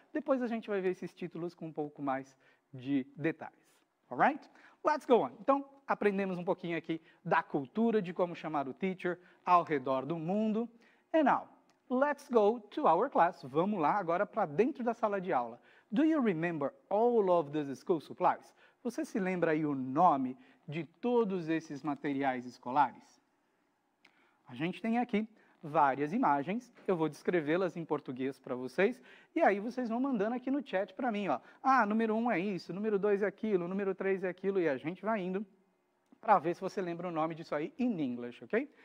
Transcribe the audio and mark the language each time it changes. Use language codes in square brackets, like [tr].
[pt] Depois a gente vai ver esses títulos com um pouco mais de detalhes. [en] Alright? Let's go on. [pt] Então, aprendemos um pouquinho aqui da cultura de como chamar o teacher ao redor do mundo. [en] And now, let's go to our class. [pt] Vamos lá agora para dentro da sala de aula. [en] Do you remember all of the school supplies? [pt] Você se lembra aí o nome de todos esses materiais escolares? A gente tem aqui várias imagens, eu vou descrevê-las em português para vocês, e aí vocês vão mandando aqui no chat para mim, ó. Ah, número 1 é isso, número 2 é aquilo, número 3 é aquilo, e a gente vai indo para ver se você lembra o nome disso aí in English, ok?